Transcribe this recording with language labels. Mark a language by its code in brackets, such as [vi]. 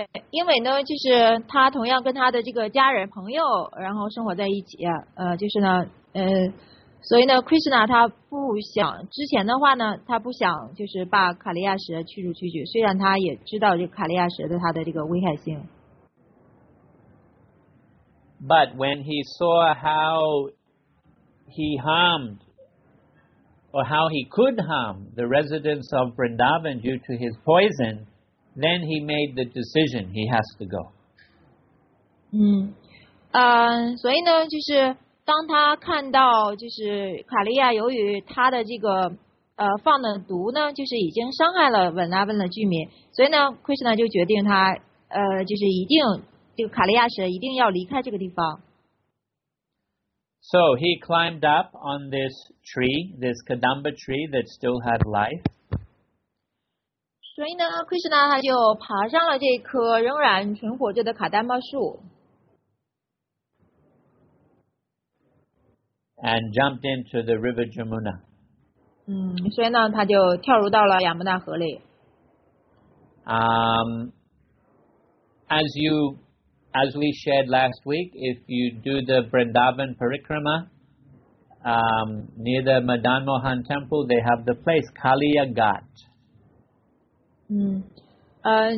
[zh] 因为呢，就是他同样跟他的这个家人朋友，然后生活在一起，就是呢，所以呢 ，Krishna 他不想之前的话呢，他不想就是把卡利亚蛇驱逐出去。虽然他也知道这卡利亚蛇的它的这个危害性。 [en] But when he saw how he harmed or how he could harm the residents of Vrindavan due to his poison, then he made the decision he has to go. [zh] 所以呢，就是。当他看到就是卡利亚由于他的这个放的毒呢，就是已经伤害了文拉温的居民，所以呢，Krishna就决定他就是一定这个卡利亚神一定要离开这个地方。 [en] So he climbed up on this tree, this Kadamba tree that still had life. [zh] 所以呢，Krishna他就爬上了这棵仍然存活着的卡丹巴树。 [en] And jumped into the river Jamuna. [zh] 所以呢，他就跳入到了亚穆纳河里。 [en] As we shared last week, if you do the Vrindavan Parikrama, near the Madan Mohan Temple, they have the place Kaliya Ghat.